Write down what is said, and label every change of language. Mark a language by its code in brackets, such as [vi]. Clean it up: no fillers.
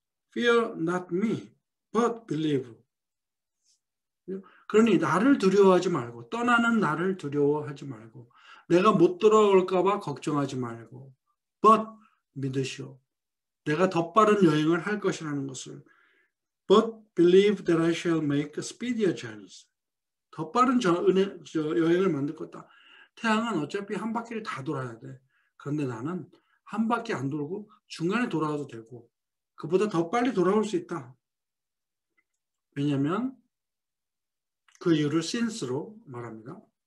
[en] Fear not me, but believe. [ko] 그러니 나를 두려워하지 말고, 떠나는 나를 두려워하지 말고, 내가 못 돌아올까봐 걱정하지 말고, but 믿으시오. 내가 더 빠른 여행을 할 것이라는 것을. [en] But believe that I shall make a speedier journey. [ko] 더 빠른 여행을 만들 것이다. 태양은 어차피 한 바퀴를 다 돌아야 돼. 그런데 나는 한 바퀴 안 돌고 중간에 돌아와도 되고 그보다 더 빨리 돌아올 수 있다. 왜냐하면 그 이유를 since로 말합니다.